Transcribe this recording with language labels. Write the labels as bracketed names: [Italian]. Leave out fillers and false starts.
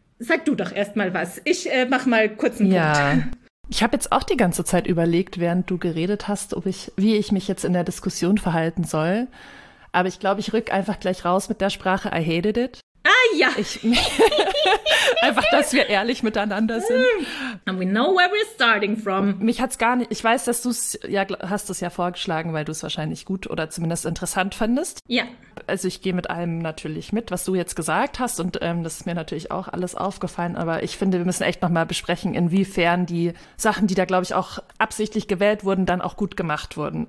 [German] Sag du doch erst mal was. Ich mach mal kurz einen ja. Punkt. Ich habe jetzt auch die ganze Zeit überlegt, während du geredet hast, wie ich mich jetzt in der Diskussion verhalten soll. Aber ich glaube, ich rück einfach gleich raus mit der Sprache, [English] I hated it. [German] Ah ja. einfach, dass wir ehrlich miteinander sind. [English] And we know where we're starting from. [German] Mich hat's gar nicht, ich weiß, dass du es, ja, hast es ja vorgeschlagen, weil du es wahrscheinlich gut oder zumindest interessant fandest. Ja. Also ich gehe mit allem natürlich mit, was du jetzt gesagt hast und das ist mir natürlich auch alles aufgefallen. Aber ich finde, wir müssen echt nochmal besprechen, inwiefern die Sachen, die da, glaube ich, auch absichtlich gewählt wurden, dann auch gut gemacht wurden.